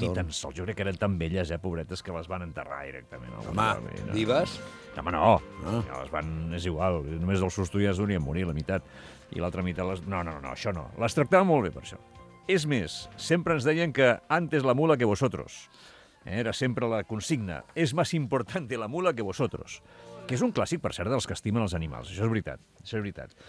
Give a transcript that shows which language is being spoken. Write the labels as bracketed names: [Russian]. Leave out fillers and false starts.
[Catalan] Ni tan sols, jo crec que eren tan velles, pobretes, que les van enterrar directament. Home, vives? Home, no, les van, és igual, només del susto ja es donien morir, la meitat. I l'altra meitat, no, això no. Les tractava molt bé, per això. És més, sempre ens deien que [Spanish] antes la mula que vosotros. [Catalan] Era sempre la consigna, [Spanish] es más importante la mula que vosotros. [Catalan] Que és un clàssic, per cert, dels que estimen els animals. Això és veritat, això és veritat.